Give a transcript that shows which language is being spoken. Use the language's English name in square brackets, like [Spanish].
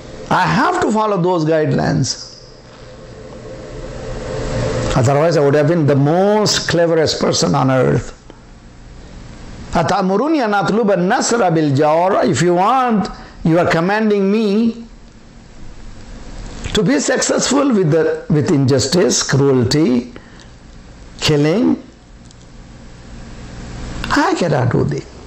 [English] I have to follow those guidelines. Otherwise, I would have been the most cleverest person on earth. [Arabic] أتأمروني أن أطلب النصر بالجوار. [English] If you want, you are commanding me to be successful with injustice, cruelty, killing. I cannot do this.